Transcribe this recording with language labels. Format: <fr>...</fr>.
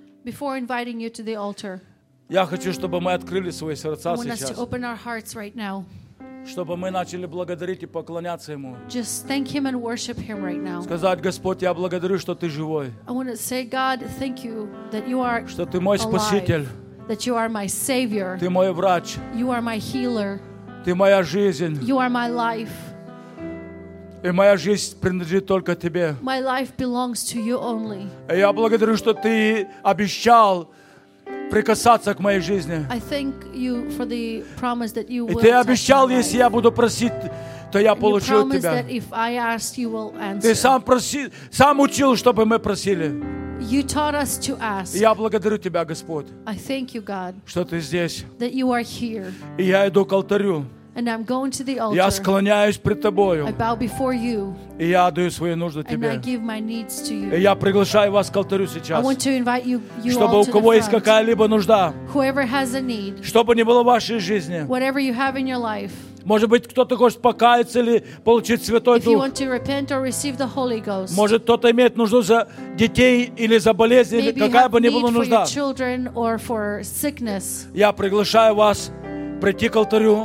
<ru>Я хочу, чтобы мы открыли свои сердца сейчас.</ru> <en>Right,</en> <ru>чтобы мы начали благодарить и поклоняться Ему.</ru> <en>Just thank Him and worship Him right now.</en> <ru>Сказать: Господь, я благодарю, что Ты живой.</ru> <en>I want to say, God, thank you that you are</en> <ru>что Ты мой Спаситель.</ru> <en>Alive, that you are my Savior.</en> <ru>Ты мой врач.</ru> <en>You are my healer.</en> <ru>Ты моя жизнь.</ru> <en>You are my life.</en> <ru>И моя жизнь принадлежит только Тебе.</ru> <en>My life belongs to you only.</en> <ru>И я благодарю, что Ты обещал прикасаться к моей жизни.</ru> <en>I thank you for the promise that you will.</en> <ru>И Ты обещал, если я буду просить, то я получу от Тебя.</ru> <en>That if I ask, you will answer.</en> <ru>Ты сам просил, сам учил, чтобы мы просили.</ru> <en>You taught us to ask.</en> <ru>Я благодарю Тебя, Господь.</ru> <en>I thank you, God,</en> <ru>что Ты здесь.</ru> <en>That you are here.</en> <ru>И я иду к алтарю.</ru> <en>And I'm going to the altar.</en> <ru>Я склоняюсь пред Тобою.</ru> <en>I bow before you.</en> <ru>И я отдаю свои нужды Тебе.</ru> <en>And I give my needs to you.</en> <ru>И я приглашаю вас к алтарю сейчас.</ru> <en>I want to invite you</en> <ru>чтобы</ru> <en>all</en> <ru>у кого</ru> <en>to the</en> <ru>есть какая-либо нужда,</ru> <en>whoever has a need,</en> <ru>что бы ни было в вашей жизни,</ru> <en>whatever you have in your life,</en> <ru>может быть, кто-то хочет покаяться или получить Святой</ru> <en>if</en> <ru>Дух.</ru> <en>You want to repent or receive the Holy Ghost,</en> <ru>может, кто-то имеет нужду за детей или за болезнь, или какая бы ни была нужда.</ru> <en>For your children or for sickness.</en> <ru>Я приглашаю вас прийти к алтарю,</ru>